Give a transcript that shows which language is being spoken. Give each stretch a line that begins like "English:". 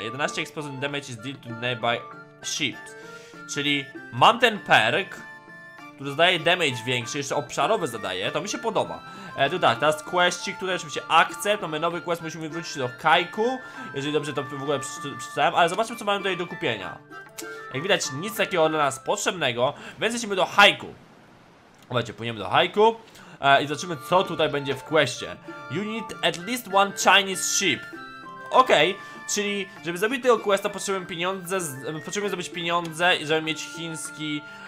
English: 11 explosive damage is dealt to nearby ships.
Polish: Czyli mam ten perk, który zadaje damage większy, jeszcze obszarowy zadaje, to mi się podoba. Teraz questi, które oczywiście akcept, mamy nowy quest, musimy wrócić do Kaiku. Jeżeli dobrze to w ogóle przeczytałem, ale zobaczmy co mamy tutaj do kupienia. Jak widać nic takiego dla nas potrzebnego, więc jesteśmy do Haiku. Zobaczcie, płyniemy do Haiku i zobaczymy co tutaj będzie w questie.
English: You need at least one Chinese ship.
Polish: Okej. Czyli, żeby zrobić tego questa potrzebujemy pieniądze, i żeby mieć chiński...